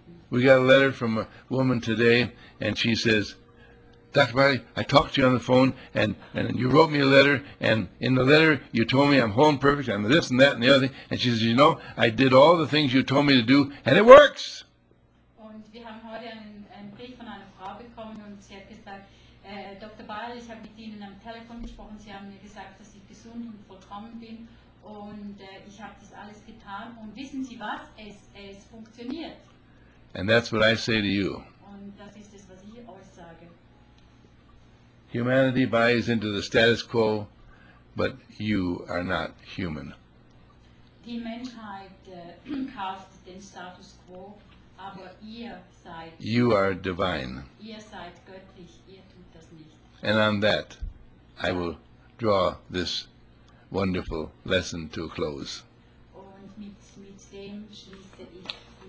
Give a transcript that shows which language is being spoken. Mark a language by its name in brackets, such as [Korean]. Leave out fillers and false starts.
[English] We got a letter from a woman today, and she says, Dr. Barley, I talked to you on the phone, and you wrote me a letter, and in the letter you told me I'm whole and perfect, I'm this and that and the other thing. And she says, you know, I did all the things you told me to do, and it works! [German] Und wir haben heute einen Brief von einer Frau bekommen, und sie hat gesagt, Dr. Barley, ich habe mit Ihnen am Telefon gesprochen, Sie haben mir gesagt, dass ich gesund und vollkommen bin, und ich habe das alles getan, und wissen Sie was? Es funktioniert. [English] And that's what I say to you. [German] Und das ist das, was ich euch sage. [English] Humanity buys into the status quo, but you are not human. [German] Die Menschheit kauft den Status quo, aber ihr seid. [English] You are divine. [German] Ihr seid göttlich, ihr tut das nicht. [English] And on that, I will draw this wonderful lesson to a close. [German] Und mit dem schließe ich.